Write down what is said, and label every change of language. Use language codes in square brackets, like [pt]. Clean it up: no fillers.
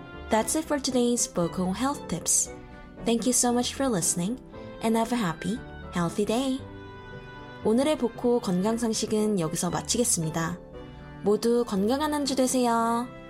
[en] That's it for today's Boko Health Tips. Thank you so much for listening and have a happy, healthy day. [ko] 오늘의 보코 건강상식은 여기서 마치겠습니다. 모두 건강한 한 주 되세요.